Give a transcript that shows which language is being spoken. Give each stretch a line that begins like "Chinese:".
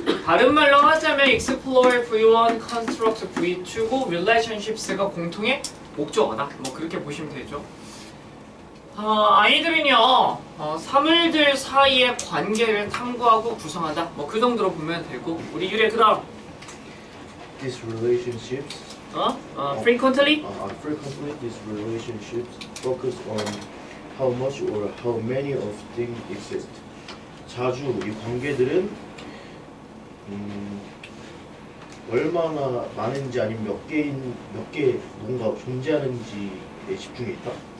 Korean: 다른 말로 하자면 Explore V1, Construct V2고 Relationships가 공통의 목적어다. 뭐 그렇게 보시면 되죠. 아이들은요 사물들 사이의 관계를 탐구하고 구성한다. 뭐 그 정도로 보면 되고 우리 유래 그럼
English: These relationships frequently? Frequently these relationships focus on How much or how many of things exist?
Korean: 자주 이 관계들은 얼마나 많은지 아니면 몇 개인 몇 개 뭔가 존재하는지에 집중해 있다.